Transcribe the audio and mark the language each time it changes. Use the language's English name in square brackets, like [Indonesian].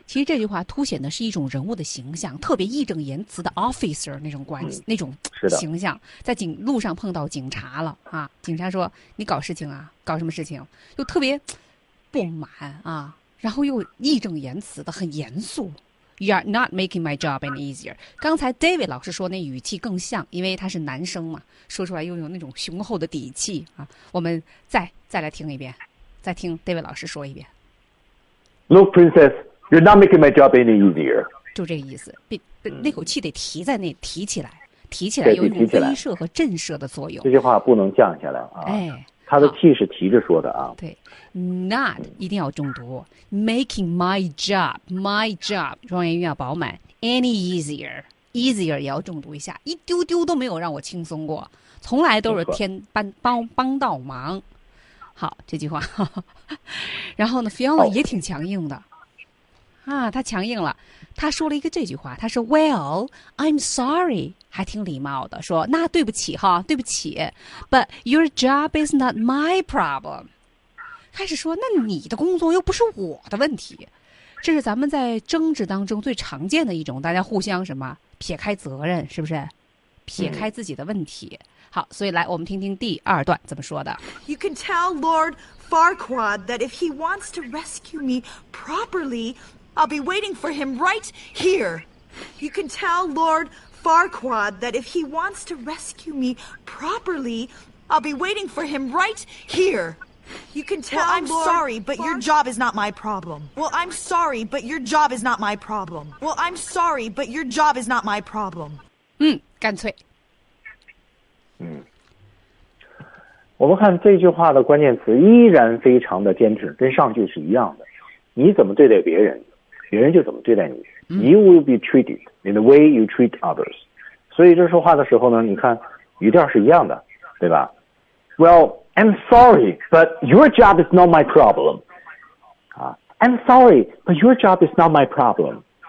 [Chinese] 其实这句话凸显的是一种人物的形象，特别义正言辞的 officer 那种关系，嗯，那种形象。在路上碰到警察了啊，警察说你搞事情啊，搞什么事情，就特别不满啊，然后又义正言辞的很严肃。 [English] You are not making my job any easier. [Chinese] 刚才 David 老师说那语气更像，因为他是男生嘛，说出来又有那种雄厚的底气啊。我们再来听一遍，再听 David 老师说一遍。 [English] Look, princess, you're not making my job any easier. [Chinese] 就这个意思，那口气得提在那，提起来，提起来有一种威慑和震慑的作用。这句话不能降下来啊。哎。他的气是提着说的啊，对 ， [English] not [Chinese] 一定要重读 ， [English] making my job [Chinese] 双元音要饱满 ， [English] any easier [Chinese] 也要重读一下，一丢丢都没有让我轻松过，从来都是添帮倒忙。好，这句话，然后呢 ，Fiona 也挺强硬的，啊，他强硬了，他说了一个这句话，他说 ， [English] Well, I'm sorry。 [Chinese] 还挺礼貌的，说那对不起哈，对不起 ， [English] But your job is not my problem。 [Chinese] 开始说那你的工作又不是我的问题，这是咱们在争执当中最常见的一种，大家互相什么撇开责任，是不是？撇开自己的问题。嗯，好，所以来我们听听第二段怎么说的。 [English] You can tell Lord Farquaad that if he wants to rescue me properly, I'll be waiting for him right here. You can tell Lord. Farquaad, that if he wants to rescue me properly, I'll be waiting for him right here. You can tell well, I'm Lord sorry, but your job is not my problem. Well, I'm sorry, but your job is not my problem. Well, I'm sorry, but your job is not my problem. [Chinese] 嗯，干脆。嗯，我们看这句话的关键词依然非常的坚持，跟上句是一样的。你怎么对待别人，别人就怎么对待你。 [English] You will be treated in the way you treat others. [Chinese] 所以这说话的时候呢，你看语调是一样的，对吧 ？ [English] Well, I'm sorry, but your job is not my problem. 啊 ，I'm sorry, but your job is not my problem.